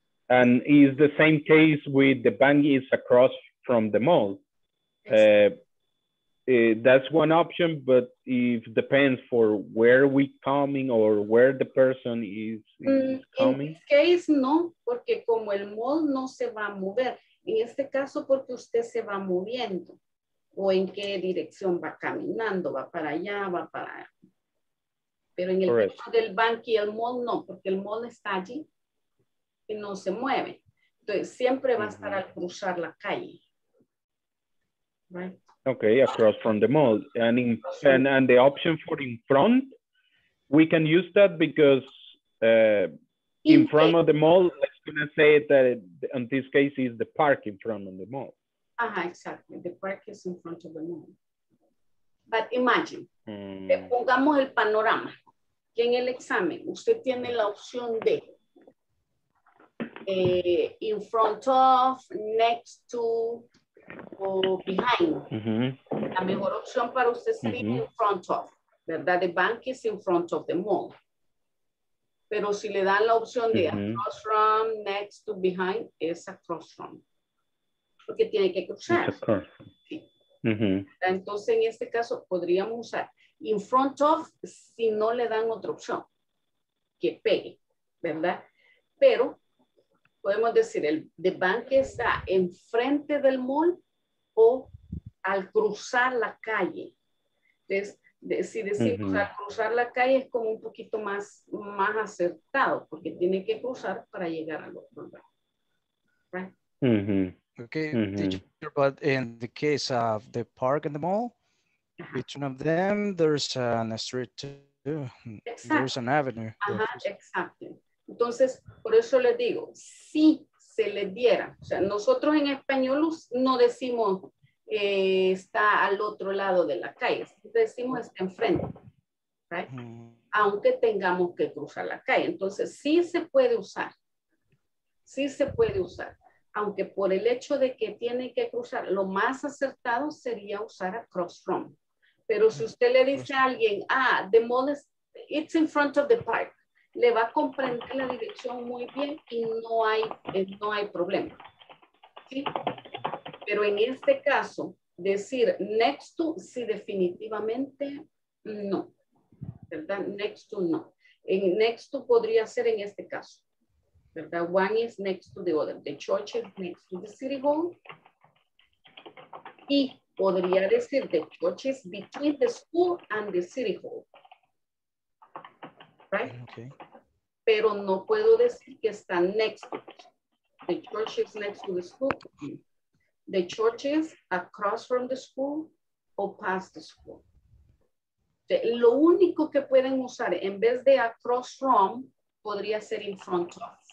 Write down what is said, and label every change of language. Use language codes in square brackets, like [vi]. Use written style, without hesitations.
[en] And is the same case with the bank is across from the mall. That's one option, but it depends for where we coming or where the person is coming. In this case, no, [es] porque como el mall no se va a mover. En este caso, porque usted se va moviendo. O en qué dirección va caminando, va para allá, va para allá. Pero en el [en] Correct. [es] Caso del bank y el mall, no, porque el mall está allí y no se mueve. Entonces, siempre va mm-hmm. a estar al cruzar la calle. [en] Right? Okay, across from the mall. And, in, and the option for in front, we can use that because In front of the mall, let's gonna say that in this case is the park in front of the mall. Uh-huh, exactly. The park is in front of the mall. [es] But imagine, pongamos el panorama, que en el examen usted tiene la opción de in front of, next to, o behind. Mm-hmm. La mejor opción para usted sería in front of, ¿verdad? [en] The bank is in front of the mall. [es] Pero si le dan la opción de across from, next to, behind, es across from. Porque tiene que cruzar. Mm-hmm. Entonces, en este caso, podríamos usar in front of si no le dan otra opción que pegue, ¿verdad? Pero podemos decir el the bank está enfrente del mall o al cruzar la calle. Entonces, si decimos al cruzar la calle es como un poquito más acertado porque tiene que cruzar para llegar al otro lado. [en] Right? Okay, teacher, but in the case of the park and the mall, which one of them, there's an street too. [es] Exacto. [en] There's an avenue. [es] Ajá, exacto. Entonces, por eso les digo, si se les diera, o sea, nosotros en español no decimos que está al otro lado de la calle, decimos está enfrente, right? Aunque tengamos que cruzar la calle. Entonces, sí se puede usar, sí se puede usar. Aunque por el hecho de que tiene que cruzar, lo más acertado sería usar across from. Pero si usted le dice a alguien, ah, [en] the mall is, it's in front of the park, [es] le va a comprender la dirección muy bien y no hay problema. ¿Sí? Pero en este caso, decir next to, sí, definitivamente no. ¿Verdad? Next to no. En next to podría ser en este caso. ¿Verdad? [en] One is next to the other. The church is next to the city hall. [es] Y podría decir [en] the church is between the school and the city hall. Right? Okay. [es] Pero no puedo decir que está next to. [en] The church is next to the school. The church is across from the school or past the school. [es] Lo único que pueden usar en vez de across from podría ser in front of.